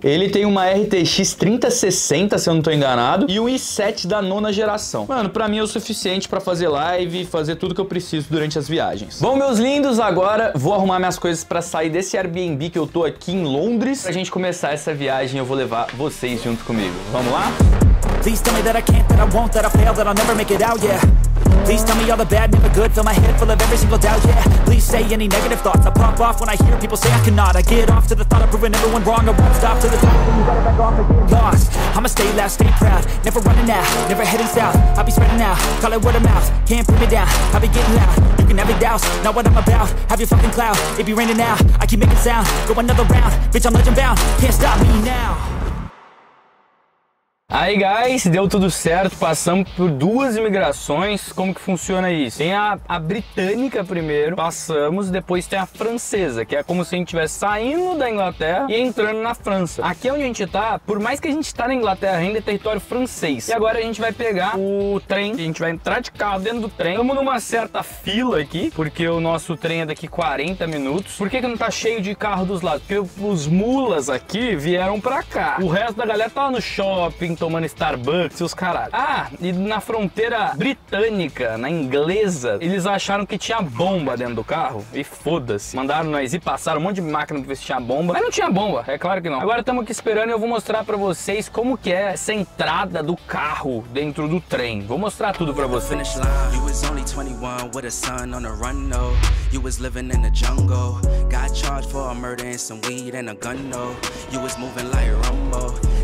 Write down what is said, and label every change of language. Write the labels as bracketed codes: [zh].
[pt] Ele tem uma RTX 3060, se eu não tô enganado, e um i7 da nona geração. Mano, pra mim é o suficiente pra fazer live e fazer tudo que eu preciso durante as viagens. Bom, meus lindos, agora vou arrumar minhas coisas pra sair desse Airbnb que eu tô aqui em Londres. Pra gente começar essa viagem, eu vou levar vocês junto comigo. Vamos lá? [en] Please tell me that I can't, that I won't, that I fail, that I'll never make it out, yeah. Please tell me all the bad, never good. Fill my head full of every single doubt, yeah. Please say any negative thoughts. I pop off when I hear people say I cannot. I get off to the thought of proving everyone wrong. I won't stop to the top. You gotta back off again. Lost, I'ma stay loud, stay proud. Never running out, never heading south. I'll be spreading out, call it word of mouth. Can't put me down, I'll be getting loud. You can have your doubts, not what I'm about. Have your fucking clout, it be raining now. I keep making sound, go another round. Bitch, I'm legend bound, can't stop me now. [pt] Aí, guys, deu tudo certo, passamos por 2 imigrações, como que funciona isso? Tem a britânica primeiro, passamos, depois tem a francesa, que é como se a gente estivesse saindo da Inglaterra e entrando na França. Aqui onde a gente tá, por mais que a gente tá na Inglaterra ainda, é território francês. E agora a gente vai pegar o trem, a gente vai entrar de carro dentro do trem. Estamos numa certa fila aqui, porque o nosso trem é daqui 40 minutos. Por que que não tá cheio de carro dos lados? Porque os mulas aqui vieram pra cá. O resto da galera tá lá no shopping, tomando Starbucks e os caralho. Ah, e na fronteira britânica, na inglesa, eles acharam que tinha bomba dentro do carro. E foda-se. Mandaram nós ir, passaram um monte de máquina pra ver se tinha bomba. Mas não tinha bomba, é claro que não. Agora estamos aqui esperando e eu vou mostrar pra vocês como que é essa entrada do carro dentro do trem. Vou mostrar tudo pra vocês. [en] You was only 21 with a son on a run, no. You was living in the jungle. Got charged for a murder and some weed and a gun, no. You was moving like Rumble.